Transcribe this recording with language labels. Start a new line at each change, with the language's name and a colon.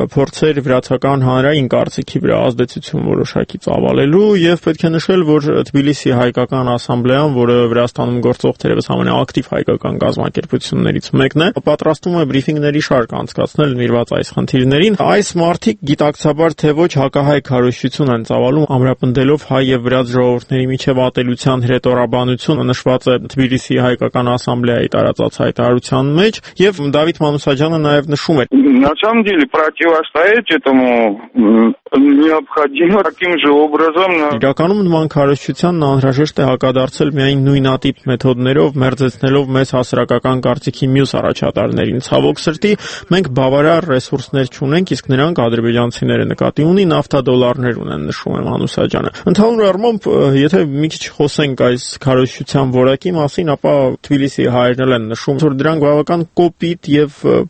Armenian: փորձեր վրացական հանրային կարծիքի վրա ազդեցություն որոշակի ծավալելու։ Եվ պետք է նշել, որ Թբիլիսի հայկական ասամբլեան, որը Վրաստանում գործող թերևս ամենաակտիվ հայկական կազմակերպություններից մեկն է, պատրաստում է բրիֆինգների շարք անցկացնել նվիրված այս խնդիրներին։ Այս մարտիկ գիտակցաբար թե ոչ հակահայ քարոշչություն են ծավալում, ամրապնդելով հայ և վրաց ժողովրդների միջև ատելության հրետորաբանություն, նշված է Թբիլիսի հայկական ասամբլեայի տարածած հայտարարության մեջ, և Դավիթ Մանուսաջյանը նաև նշում է.
Russian: На самом деле противостоять этому необходимо таким же образом.
Armenian: Իրականում նման քարոշչությանն անհրաժեշտ է հակադարձել միայն նույնատիպ մեթոդներով, մերձեցնելով մեզ հասարակական կարծիքի մյուս առաջատարներին։ Ցավոք սրտի, մենք բավարար ռեսուրսներ չունենք, իսկ նրանք ադրբեջանցիները նկատի ունի նաֆտադոլարներ ունեն, նշում է Մանուսաջյանը։ Ընդհանուր առմամբ, եթե մի քիչ խոսենք այս քարոշչության որակի մասին, ապա Թբիլիսիի հայերն են նշում, որ դրանք բավական կոպիտ և